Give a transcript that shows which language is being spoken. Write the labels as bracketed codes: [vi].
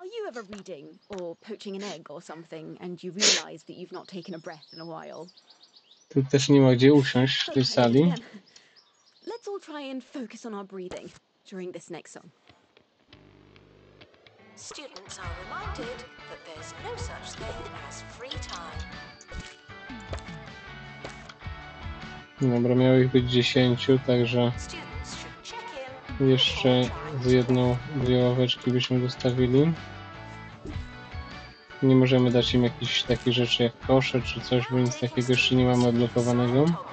[en] Ever reading or poaching an egg or something and you realize that you've not taken a breath in a while. [pl] Tu też nie ma gdzie usiąść w tej sali. [en] Let's all try and focus on our breathing during this next song. Students are reminded that there's no such thing as free time. [pl] Dobra, miało ich być 10, także jeszcze z jedną dwie ławeczki byśmy dostawili. Nie możemy dać im jakichś takich rzeczy jak kosze czy coś, bo nic takiego jeszcze nie mamy odblokowanego.